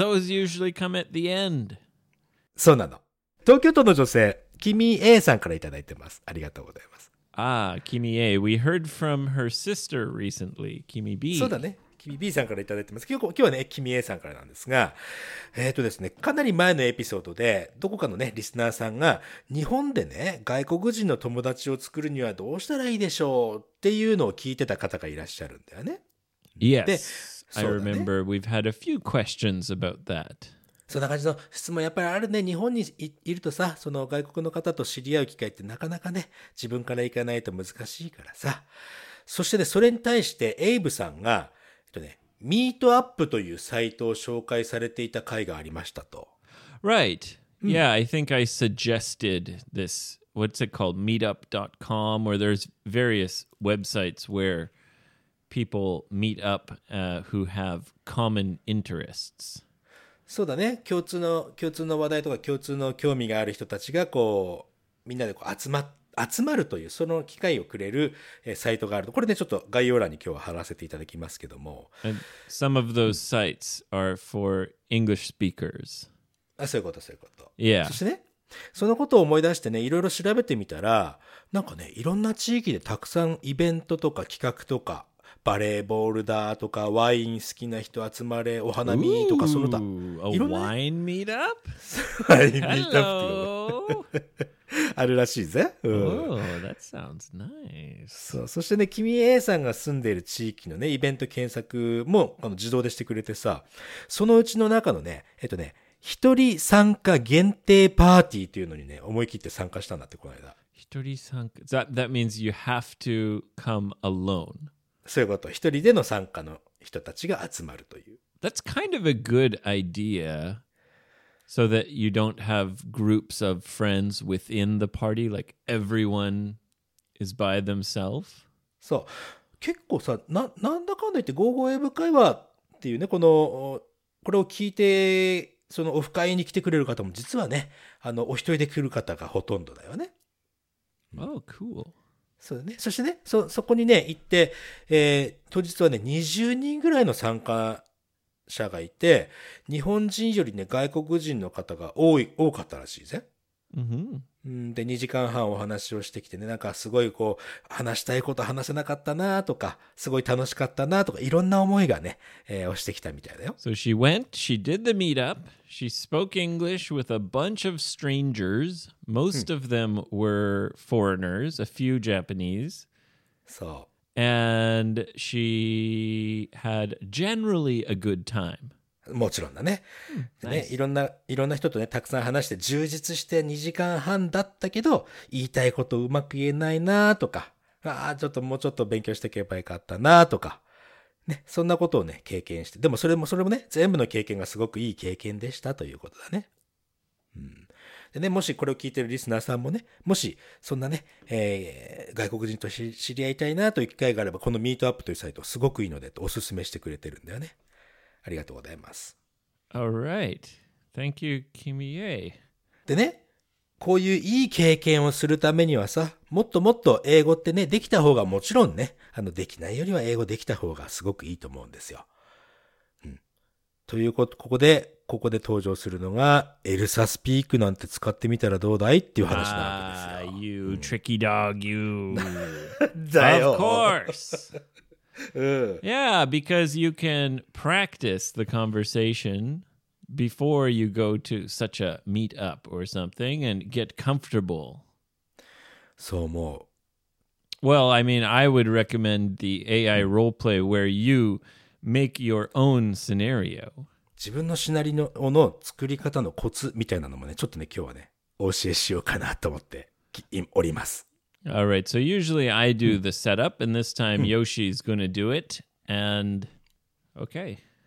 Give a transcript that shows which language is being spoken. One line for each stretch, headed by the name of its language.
English: Those usually come at the end.
Japanese: そうなの。東京都の女性、君 A さんからいただいてます。ありがとうございます。
English: Ah, Kimi A. We heard from her sister recently, Kimi B.
Japanese: そうだね。 Kimi B さんからいただいてます。今日はね、Kimi A さんからなんですが、ですね、かなり前のエピソードで、どこかのね、リスナーさんが、日本でね、外国人の友達を作るにはどうしたらいいでしょうっていうのを聞いてた方がいらっしゃるんだよね。
English: Yes. で、I remember we've had a few questions about that.
Japanese: そんな感じの質問やっぱりあるね。日本に いるとさ、その外国の方と知り合う機会ってなかなかね、自分から行かないと難しいからさ。そしてね、それに対してエイブさんが、ミートアップというサイトを紹介されていた回がありましたと。
English: Right. Yeah, I think I suggested this, what's it called, meetup.com, or there's various websites where people meet up, who have common interests.
Japanese: そうだね、共通の話題とか共通の興味がある人たちがこうみんなでこう集まるというその機会をくれるサイトがあると。これねちょっと概要欄に今日は貼らせていただきますけども。
English: And some of those sites are for English speakers.
Japanese: あ、そういうこと、そういうこと。
English: Yeah.
Japanese: そしてね、そのことを思い出してね、いろいろ調べてみたら、なんかね、いろんな地域でたくさんイベントとか企画とか、バレーボールだとか、ワイン好きな人集まれ、お花見とか、その他。 Ooh, いろんな、ね、ワインミートアップワインミートアップっていうの。あるらしいぜ。
English: うん、Ooh, that sounds nice.
Japanese: そう、そしてね、君 A さんが住んでいる地域のね、イベント検索もあの自動でしてくれてさ、そのうちの中のね、一人参加限定パーティーというのにね、思い切って参加したんだって、この間。一人参加。
English: That means you have to come alone.
Japanese: そういうこと、一人での参加の人たちが集まるという。
English: That's kind of a good idea, so that you don't have groups of friends within the party, like everyone is by themselves.
Japanese: そう、結構さ、なんだかんだ言って、ゴーゴーエブ会話っていうね、このこれを聞いてそのオフ会に来てくれる方も実はね、あのお一人で来る方がほとんどだよね。
English: Oh, cool.
Japanese: そうね、そしてね、そこにね行って、当日はね20人ぐらいの参加者がいて、日本人よりね外国人の方が多かったらしいぜ。 Mm-hmm. で2時間半お話をしてきてね、なんかすごいこう話したいこと話せなかったなとか、すごい楽しかったなとか、いろんな思いがね、押してきたみたいだよ。
English: So she went, she did the meetup, she spoke English with a bunch of strangers, most of them were foreigners, a few Japanese. So and she had generally a good time
Japanese: もちろんだね。でね、nice. いろんな人とね、たくさん話して充実して2時間半だったけど、言いたいことうまく言えないなとか、ああ、ちょっともうちょっと勉強していけばよかったなとか、ね、そんなことをね、経験して、でもそれもね、全部の経験がすごくいい経験でしたということだね。うん。でね、もしこれを聞いてるリスナーさんもね、もしそんなね、外国人と知り合いたいなという機会があれば、このミートアップというサイト、すごくいいので、とおすすめしてくれてるんだよね。ありがとうございます。
English: All right. Thank you, Kimi A.
Japanese: でね、こういういい経験をするためにはさ、もっともっと英語ってね、できた方がもちろんね、あのできないよりは英語できた方がすごくいいと思うんですよ。うん、ということ、ここで登場するのが、エルサスピークなんて使ってみたらどうだいっていう話なんですよ。
English: You tricky dog, you.
Japanese: だよ。
English: Of course. Yeah, because you can practice the conversation before you go to such a meetup or something and get comfortable. So more. Well, I mean, I would recommend the AI roleplay where you make your own scenario.
Japanese: 自分のシナリオの作り方のコツみたいなのもね、ちょっとね、今日はね、お教えしようかなと思っております。
English: All right, so usually I do the setup, and this time Yoshi's going to do it, and okay.